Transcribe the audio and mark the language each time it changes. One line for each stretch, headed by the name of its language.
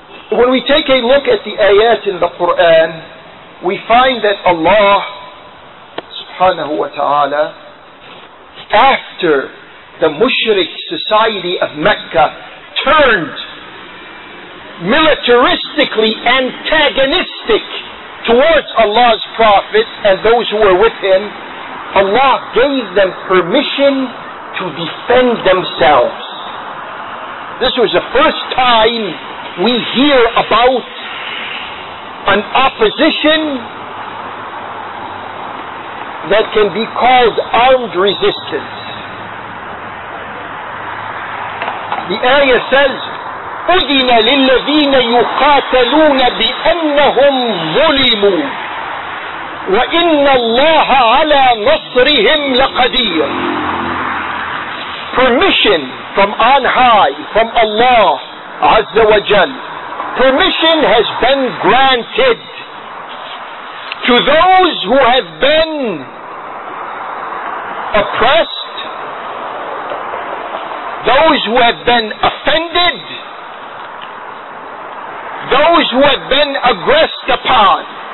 English: When we take a look at the ayat in the Quran, we find that Allah subhanahu wa ta'ala, after the mushrik society of Mecca turned militaristically antagonistic towards Allah's Prophet and those who were with him, Allah gave them permission to defend themselves. This was the first time we hear about an opposition that can be called armed resistance. The ayah says,
Arabic: أُذِنَ لِلَّذِينَ يُقَاتَلُونَ بِأَنَّهُمْ ظُلِمُوا وَإِنَّ اللَّهَ عَلَى نَصْرِهِمْ لَقَدِيرٌ.
English: Permission from on high, from Allah Azza wa Jal. Permission has been granted to those who have been oppressed, those who have been offended, those who have been aggressed upon.